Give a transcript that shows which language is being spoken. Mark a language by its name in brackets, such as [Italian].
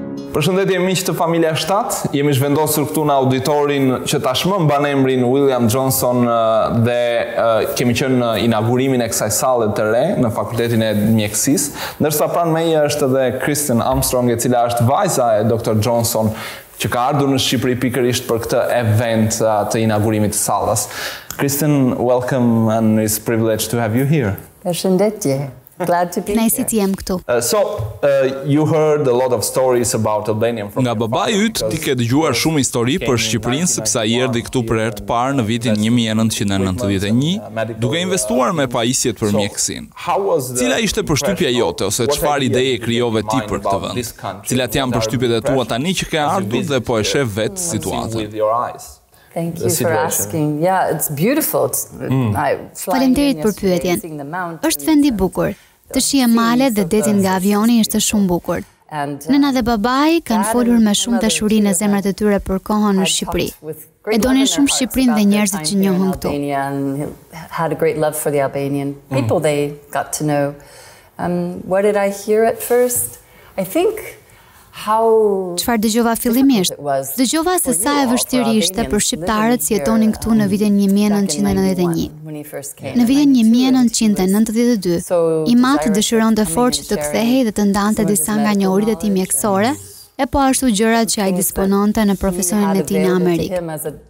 [Albanian] Përshëndetje miqtë të familja 7, jemi zhvendosur këtu në auditorin që tashmë mban emrin William Johnson dhe kemi qenë në inaugurimin e kësaj sallë të re në Fakultetin e Mjekësisë. Ndërsa pranë meje është edhe Kristen Armstrong, e cila është vajza e Dr. Johnson, që ka ardhur në Shqipëri pikërisht për këtë event të inaugurimit të sallës. [English] Kristen, welcome and it's a privilege to have you here. [Albanian] Përshëndetje. [English] Glad to be [Albanian] nice të jem këtu. [English] You heard a lot of stories about Albania from [Albanian] nga babai yt, ti ke dëgjuar shumë histori për Shqipërinë sepse ai erdhi këtu për herë të parë në vitin 1991, duke investuar me pajisjet për mjekësinë. Cila ishte përshtypja jote ose çfarë ideje krijove ti për këtë vend? Cilat janë përshtypjet e tua tani që ke ardhur dhe po e shef vetë situatën? [English] Thank you for asking. Yeah, it's beautiful. [Albanian] Faleminderit për pyetjen. Është vend i bukur. Të shihe malet dhe detin nga avioni është shumë bukur. Nëna dhe babai kanë folur me shumë dashuri në zemrat e tyre për kohën në Shqipëri. E donin shumë Shqipërinë dhe njerëzit që njohën këtu. [English] Had a great love for the Albanian people they got to know. What did I hear at first? I think [Albanian] çfarë dëgjova fillimisht? Dëgjova se sa e vështirë ishte për shqiptarët që jetonin këtu në vitin 1991. Në vitin 1992, i mati dëshironte fort që të kthehej dhe të ndante disa nga njohuritë e tij mjekësore, e po ashtu gjërat që ai dispononte në profesionin e tij në Amerikë.